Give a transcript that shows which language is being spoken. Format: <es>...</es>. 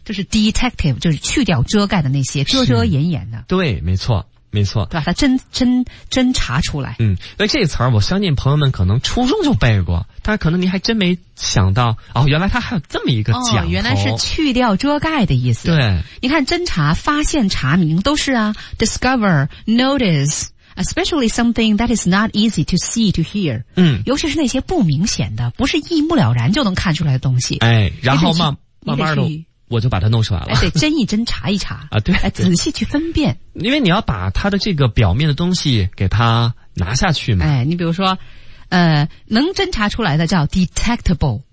<zh>就是 detective， 就是去掉遮盖的那些遮遮掩掩的。对，没错，没错，把它侦查出来。嗯，那这个词儿，我相信朋友们可能初中就背过，但可能您还真没想到哦，原来它还有这么一个讲头。哦，原来是去掉遮盖的意思。对，你看，侦查、发现、查明都是啊 ，</zh> <en>discover、notice。 Especially something that is not easy to see, to hear. 嗯，</en> <zh>尤其是那些不明显的，不是一目了然就能看出来的东西。哎，然后慢慢的，我就把它弄出来了。哎，对，侦一侦，查一查啊，对，仔细去分辨。因为你要把它的这个表面的东西给它拿下去嘛。哎，你比如说，能侦查出来的叫 detectable。</zh>